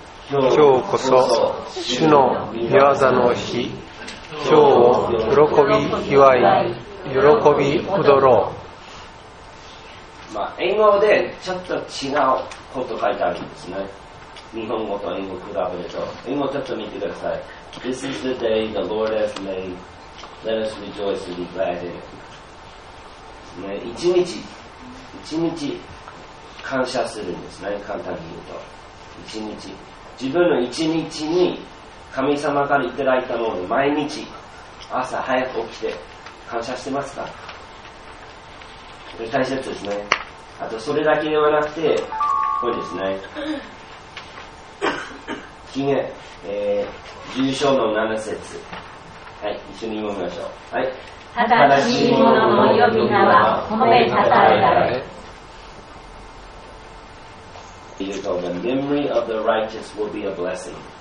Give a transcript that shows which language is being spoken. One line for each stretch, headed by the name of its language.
Japanese: 今日こそ主の御業の日、今日を喜び祝い喜び踊ろう。まあ、英語でちょっと違うこと書いてあるんですね。日本語と英語比べると。英語ちょっと見てください。
English: This is the day the Lord has made. Let us rejoice and be glad in it.、
Japanese: ね、一日感謝するんですね。簡単に言うと。一日。自分の一日に神様からいただいたもの、毎日朝早く起きて感謝してますか？これ大切ですね。あとそれだけではなくて、これですね。ひげ、重症の七節。はい、一緒に読みましょう。はい。正しい者の呼び名は褒めたたえられ。
English: You go, the memory of the righteous will be a blessing.